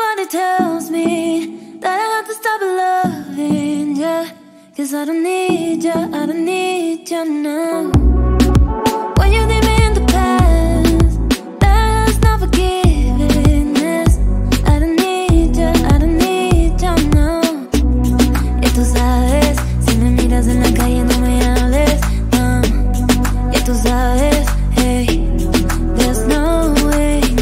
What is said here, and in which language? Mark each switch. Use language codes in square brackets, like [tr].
[en] tells me that I have to stop loving ya, cause I don't need ya, I don't need ya now. When you leave me in the past, that's not forgiveness. I don't need ya, I don't need ya now. [es] Y tú sabes, si me miras en la calle no me hables, no. Y tú sabes, hey, [en] there's no way.